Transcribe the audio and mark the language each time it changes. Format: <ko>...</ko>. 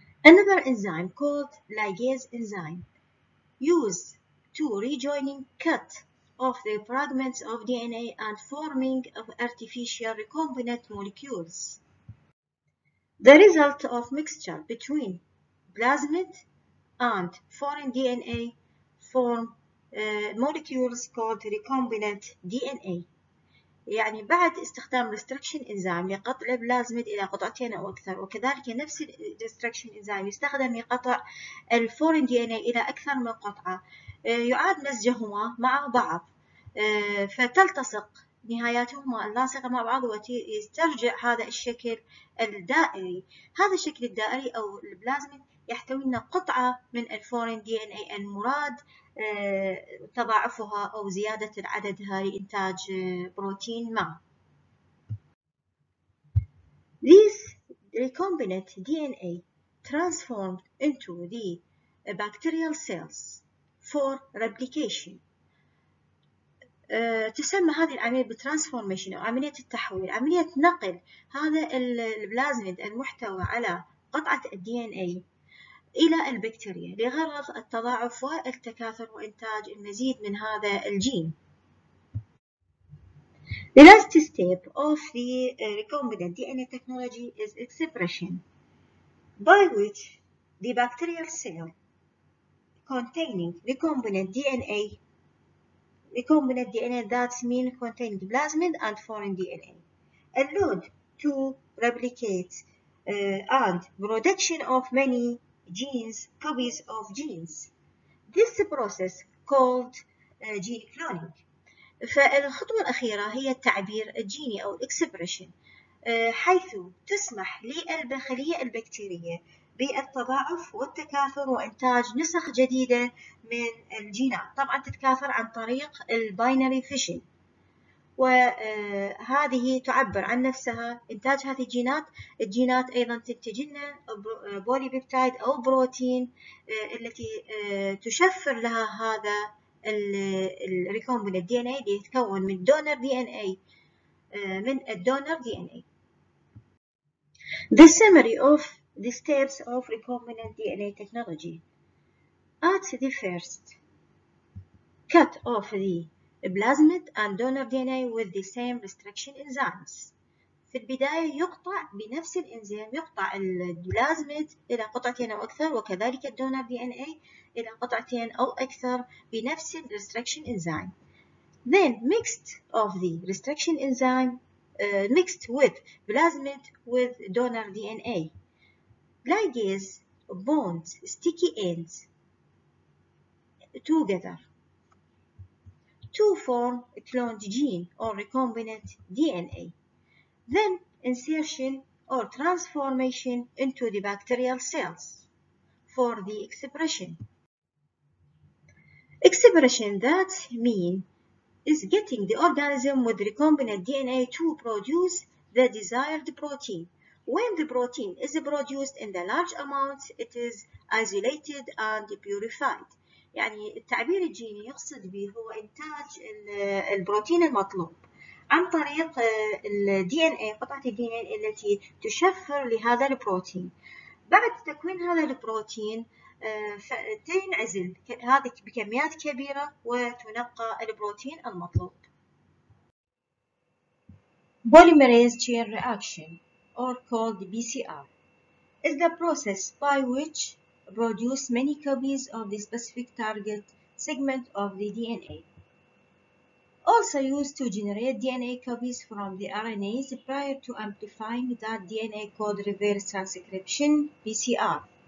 <en>Another enzyme called ligase enzyme used to rejoining cut off the fragments of DNA and forming of artificial recombinant molecules. The result of mixture between plasmid and foreign DNA form molecules called recombinant DNA.</en> <ar>يعني بعد استخدام restriction enzyme لقطع البلازميد إلى قطعتين أو أكثر، وكذلك نفس restriction enzyme يستخدم لقطع الفورين دي ان اي إلى أكثر من قطعة، يعاد مزجهما مع بعض فتلتصق نهاياتهما اللاصقة مع بعض ويسترجع هذا الشكل الدائري. هذا الشكل الدائري أو البلازميد يحتوي لنا قطعة من الفورين دي ان اي المراد تضاعفها أو زيادة عددها لإنتاج بروتين ما.</ar> <en>This recombinant DNA transformed into the bacterial cells for replication.</en> <ar>تسمى هذه العملية بالترانسفورميشن أو عملية التحويل، عملية نقل هذا البلازميد المحتوى على قطعة DNA إلى البكتيريا لغرض التضاعف والتكاثر وإنتاج المزيد من هذا الجين.</ar> <en>The last step of the recombinant DNA technology is expression, by which the bacterial cell containing recombinant DNA, that mean containing plasmid and foreign DNA, allowed to replicate and production of many genes, copies of genes. This process called gene cloning.</en> <ar>فالخطوة الأخيرة هي التعبير الجيني أو expression، حيث تسمح للبخلية البكتيرية بالتضاعف والتكاثر وإنتاج نسخ جديدة من الجينات. طبعا تتكاثر عن طريق الباينري فيشن، وهذه تعبر عن نفسها إنتاج هذه الجينات. الجينات أيضا تنتج لنا بولي بيبتايد أو بروتين التي تشفر لها هذا الريكومبينت دي ان اي اللي يتكون من دونر دي ان اي من الدونر دي ان اي.</ar> <en>The summary of the steps of recombinant DNA technology. At the first, cut off the plasmid and donor DNA with the same restriction enzymes.</en> <ar>في البداية يقطع بنفس الإنزيم، يقطع البلازميد إلى قطعتين أو أكثر، وكذلك الدونر دي ان اي إلى قطعتين أو أكثر بنفس الريستركشن إنزيم.</ar> <en>Then mixed of the restriction enzyme mixed with plasmid with donor DNA. Ligase bonds sticky ends together to form a cloned gene or recombinant DNA. Then insertion or transformation into the bacterial cells for the expression. Expression that mean is getting the organism with recombinant DNA to produce the desired protein. When the protein is produced in the large amounts, it is isolated and purified.</en> <ar>يعني التعبير الجيني يقصد به هو إنتاج البروتين المطلوب عن طريق الـ DNA، قطعة الـ DNA التي تشفر لهذا البروتين. بعد تكوين هذا البروتين تنعزل هذه بكميات كبيرة وتنقى البروتين المطلوب.</ar> <en>Polymerase chain reaction or called PCR is the process by which produce many copies of the specific target segment of the DNA. Also used to generate DNA copies from the RNAs prior to amplifying that DNA code reverse transcription, PCR.</en>